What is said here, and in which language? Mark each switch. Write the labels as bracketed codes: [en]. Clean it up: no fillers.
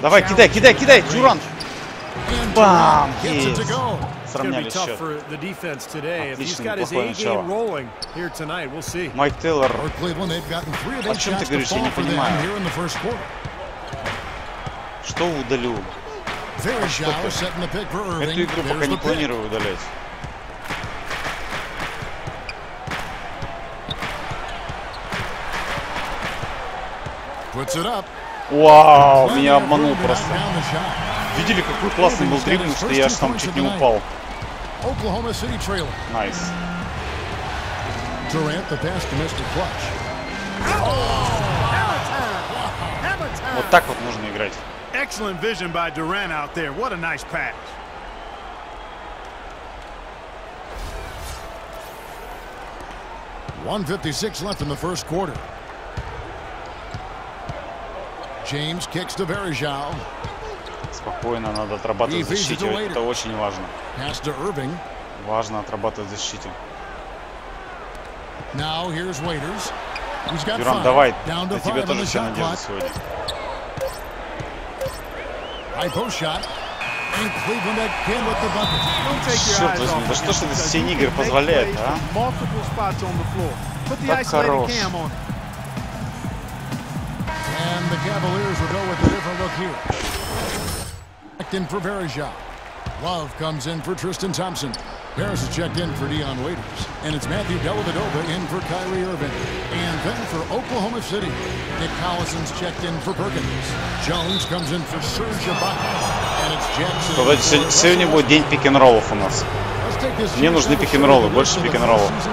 [ru] Давай, кидай, Дюрант. Бам! Есть. Сравняли счет. [en] Tough for the defense today. If he's got his A game rolling here tonight, we'll see. [ru] Майк Тейлор. [en] Or Cleveland, they've gotten three of eight shots to fall for them here in the first quarter. [ru] Что удалю? [en] Varejao setting the pick for Irving. [ru] Эту игру пока не планирую удалять. [en] Puts it up. [ru] Вау, меня обманул просто. Видели, какой классный был дриблинг, что я аж там чуть не упал. [en] Oklahoma City trail. Nice. Durant the pass to Mr. Clutch. [ru] Вот так вот нужно играть. [en] Excellent vision by Durant out there. What a nice pass. Left in the first quarter. James kicks to Varejao. [ru] Спокойно надо отрабатывать защиту, это очень важно. [en] Pass to Irving. [ru] Важно отрабатывать защиту. [en] Now here's Waiters. He's got [ru] Дюран, давай, на тебя тоже все надежды сегодня. [en] High post shot. And Cleveland again with the bucket. Don't take your [ru] Черт возьми, да что же этот синигр позволяет, а? [en] Multiple spots on the floor. Put the [ru] так хорош. [en] And the Cavaliers will go with a different look here. Checked in for Varejao. Love comes in for Tristan Thompson. Harris is checked in for Deion Waiters. And it's Matthew Dellavedova in for Kyrie Irving. And then for Oklahoma City, Nick Collison's checked in for Perkins. Jones comes in for Serge Ibaka. And it's Jackson. [ru] Сегодня будет день пик-н-роллов у нас. Мне нужны пик-н-роллы, больше пик-н-роллов.